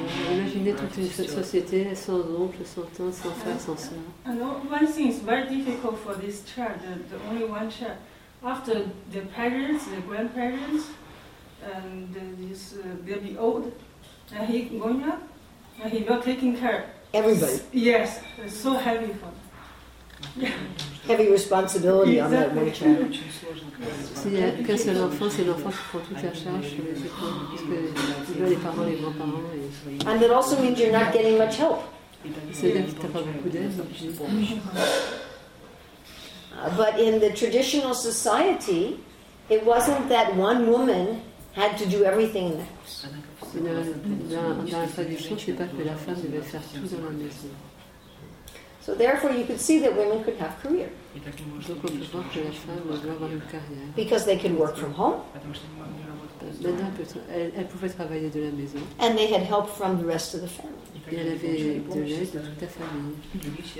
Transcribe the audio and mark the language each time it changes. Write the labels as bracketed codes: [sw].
[fr] Imaginez toute une société sans oncle, sans tante, sans frère, sans soeur. [en] One thing is very difficult for this child, the only one child. After the parents, the grandparents, and this baby old, and he going up, and he not taking care. Everybody. Yes, it's so heavy for them. Heavy responsibility on that one child. [fr] S'il n'y a qu'un seul enfant, c'est l'enfant qui prend toute la charge, parce que il veut les parents, les grands-parents. [en] And it also means you're not getting much help. [fr] C'est-à-dire que t'as pas beaucoup d'aide. [en] But in the traditional society, it wasn't that one woman had to do everything in the house. [fr] Dans la tradition, c'est pas que la femme devait faire tout dans la maison. [en] So therefore, you could see that women could have career. [fr] Donc on peut voir que la femme doit avoir une carrière. [en] Because they could work from home. [fr] Maintenant, elle pouvait travailler de la maison. [en] And they had help from the rest of the family. [fr] Et elle avait de l'aide de toute la famille.